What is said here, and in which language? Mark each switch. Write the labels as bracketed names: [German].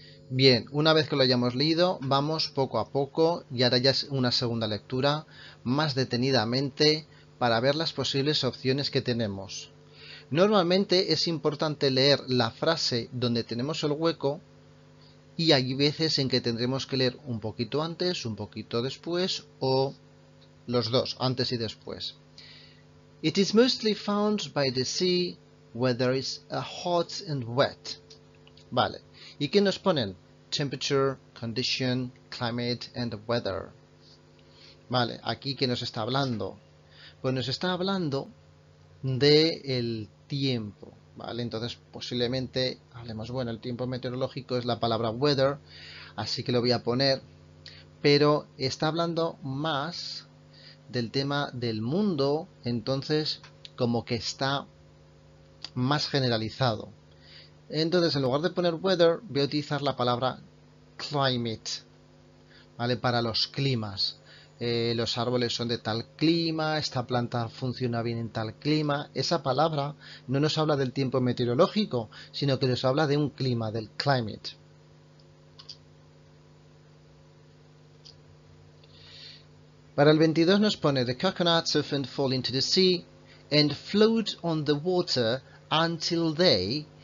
[Spanish] Bien, una vez que lo hayamos leído, vamos poco a poco y ahora ya es una segunda lectura, más detenidamente, para ver las posibles opciones que tenemos. Normalmente es importante leer la frase donde tenemos el hueco y hay veces en que tendremos que leer un poquito antes, un poquito después o los dos, antes y después. [English] It is mostly found by the sea where there is a hot and wet. [Spanish] Vale. ¿Y qué nos ponen? [English] Temperature, condition, climate and weather. [Spanish] Vale, aquí ¿qué nos está hablando? Pues nos está hablando del tiempo. Vale, entonces posiblemente hablemos, bueno, el tiempo meteorológico es la palabra weather, así que lo voy a poner. Pero está hablando más del tema del mundo, entonces como que está más generalizado. Entonces, en lugar de poner weather, voy a utilizar la palabra climate, ¿vale? Para los climas. Los árboles son de tal clima, esta planta funciona bien en tal clima. Esa palabra no nos habla del tiempo meteorológico, sino que nos habla de un clima, del climate. Para el 22 nos pone: [English] The coconuts often fall into the sea and float on the water until they.